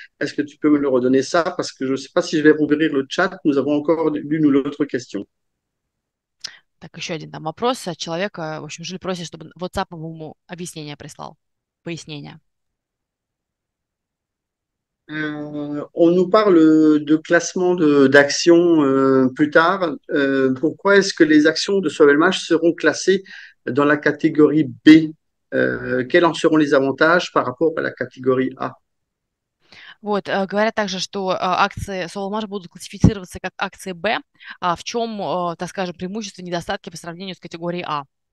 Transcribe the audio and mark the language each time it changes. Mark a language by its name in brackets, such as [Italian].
[French] Est-ce que tu peux me le redonner ça, parce que je ne sais pas si je vais rouvrir le chat, nous avons encore l'une ou l'autre question. [Russian] Так, еще один там вопрос от человека. В общем, Жиль просит, чтобы WhatsApp ему объяснение прислал. Пояснение. [French] On nous parle de classement d'actions plus tard. Pourquoi est-ce que les actions de Sauvelmash seront classées dans la catégorie B? Quels en seront les avantages par rapport à la catégorie A? [Russian] Вот, говорят также, что акции Solmash будут классифицироваться как акции Б. А в чем, так скажем, преимущества, недостатки по сравнению с категорией А?